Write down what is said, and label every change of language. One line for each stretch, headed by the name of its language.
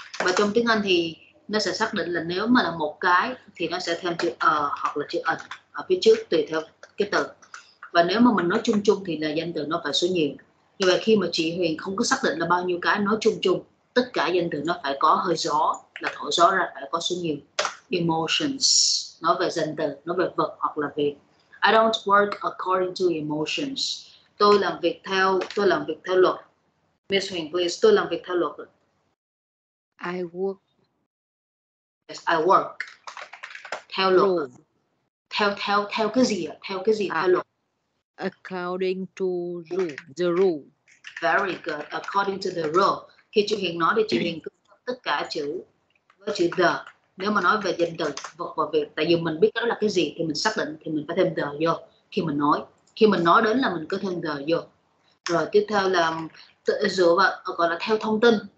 Vietnamese: Và trong tiếng Anh thì nó sẽ xác định là nếu mà là một cái thì nó sẽ thêm chữ hoặc là chữ an ở phía trước tùy theo cái từ. Và nếu mà mình nói chung chung thì là danh từ nó phải số nhiều. Như vậy khi mà chị Huyền không có xác định là bao nhiêu cái, nói chung chung tất cả danh từ nó phải có hơi gió, là thổi gió ra phải có số nhiều. Emotions, nói về danh từ, nói về vật hoặc là việc.
English: I don't work according to emotions.
Vietnamese: Tôi làm việc theo luật. Miss Huyền, please, tôi làm việc theo luật.
English: I work. Yes, I work.
Vietnamese: Theo luật. Rule. Theo cái gì ạ? Theo cái gì? Theo luật.
English: According to rule, the rule. Very good. According to the rule.
Vietnamese: Khi chị Huyền nói thì chị Huyền cứ tất cả chữ với chữ the. Nếu mà nói về danh từ vật và việc, tại vì mình biết đó là cái gì thì mình xác định thì mình phải thêm the vô khi mình nói. Khi mình nói đến là mình cứ thêm the vô. Rồi tiếp theo là dựa vào gọi là theo thông tin.